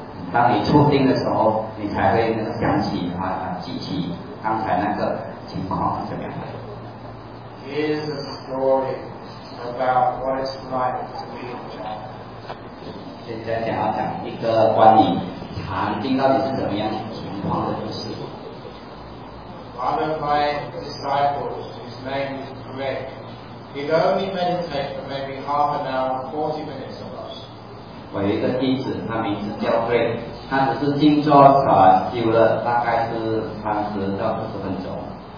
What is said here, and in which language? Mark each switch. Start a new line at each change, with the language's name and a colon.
Chinese: 当你出定的时候，你才会想起记起刚才那个情况是怎么样的。
English: Here's a story about what it's like to be in jhana.
Chinese: 现在想要讲一个关于禅定到底是怎么样情况的故事。
English: One of my disciples, his name is Greg. He'd only meditate for maybe half an hour, 40 minutes or less.
Chinese: 我有一个弟子，他名字叫 Greg， 他只是静坐修了大概是30到40分钟。